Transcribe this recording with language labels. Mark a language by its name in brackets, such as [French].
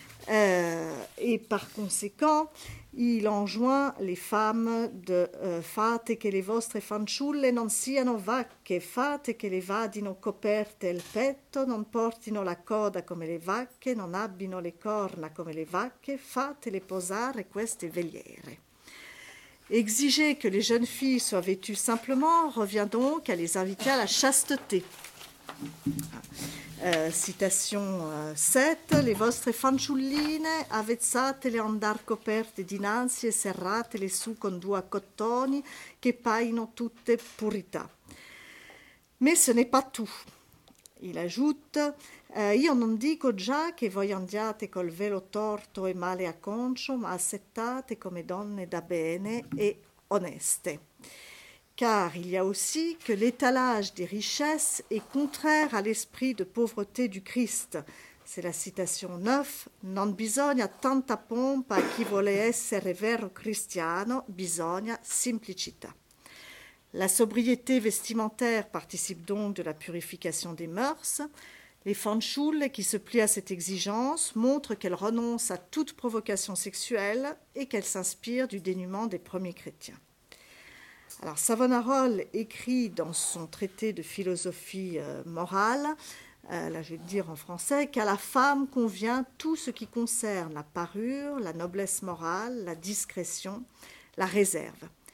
[French] » Et par conséquent, il enjoint les femmes de [Italian] fate che le vostre fanciulle non siano vacche, fate che le vadino coperte il petto, non portino la coda come le vacche, non abbino le corna come le vacche, fate le posare queste veliere. [French] Exiger que les jeunes filles soient vêtues simplement revient donc à les inviter à la chasteté. Citation 7. [Italian] Les vostre fanciulline avezzate le andar coperte dinanzi e serrate le su con due cottoni che paino tutte purità. [French] Mais ce n'est pas tout. Il ajoute [Italian] io non dico già che voi andiate col velo torto e male a concio, ma assettate come donne da bene e oneste. [French] Car il y a aussi que l'étalage des richesses est contraire à l'esprit de pauvreté du Christ. C'est la citation 9. [Italian] Non bisogna tanta pompa a chi vuole essere vero cristiano, bisogna simplicità. [French] La sobriété vestimentaire participe donc de la purification des mœurs. Les fanciulles qui se plient à cette exigence montrent qu'elles renoncent à toute provocation sexuelle et qu'elles s'inspirent du dénuement des premiers chrétiens. Alors, Savonarole écrit dans son traité de philosophie morale, là je vais le dire en français, qu'à la femme convient tout ce qui concerne la parure, la noblesse morale, la discrétion, la réserve.